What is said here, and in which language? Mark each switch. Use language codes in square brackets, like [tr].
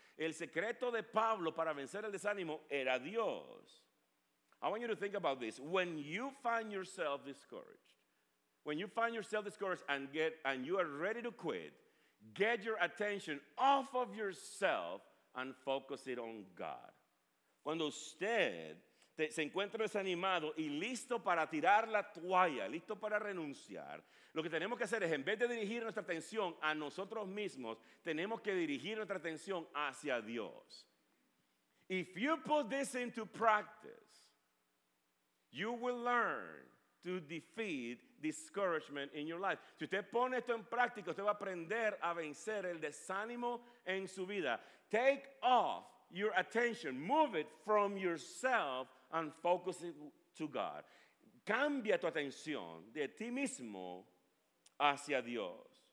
[es] El secreto de Pablo para vencer el desánimo era Dios. [en] I want you to think about this. When you find yourself discouraged, and you are ready to quit, get your attention off of yourself and focus it on God. [es] Cuando usted se encuentra desanimado y listo para tirar la toalla, listo para renunciar, lo que tenemos que hacer es, en vez de dirigir nuestra atención a nosotros mismos, tenemos que dirigir nuestra atención hacia Dios. [en] If you put this into practice, you will learn to defeat discouragement in your life. [es] Si usted pone esto en práctica, usted va a aprender a vencer el desánimo en su vida. [en] Take off your attention, move it from yourself and focus it to God. [es] Cambia tu atención de ti mismo hacia Dios.